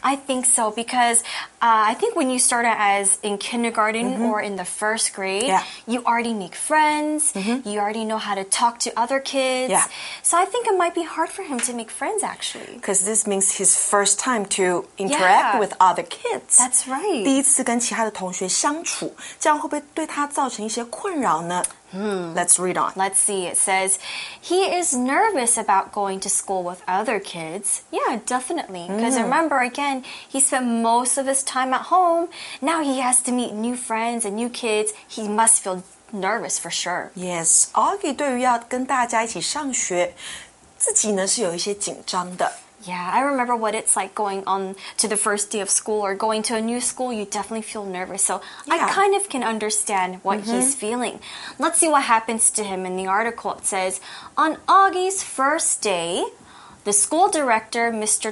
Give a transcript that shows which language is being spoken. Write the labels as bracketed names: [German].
[English] I think so, becauseI think when you start out as in kindergarten、mm-hmm. or in the first grade,、 yeah. you already make friends,、 mm-hmm. you already know how to talk to other kids.、 Yeah. So I think it might be hard for him to make friends, actually. Because this means his first time to interact、yeah. with other kids. That's right. [Chinese] 第一次跟其他的同学相处,这样会不会对他造成一些困扰呢? [English] Let's read on. Let's see. It says, he is nervous about going to school with other kids. Yeah, definitely. Because、mm. remember, again, he spent most of his time at home. Now he has to meet new friends and new kids. He must feel nervous for sure. Yes. [Chinese] Augie 对于要跟大家一起上学自己呢是有一些紧张的。 [English] Yeah, I remember what it's like going on to the first day of school or going to a new school. You definitely feel nervous. So、 yeah. I kind of can understand what、mm-hmm. he's feeling. Let's see what happens to him in the article. It says, on Augie's first day, the school director, Mr.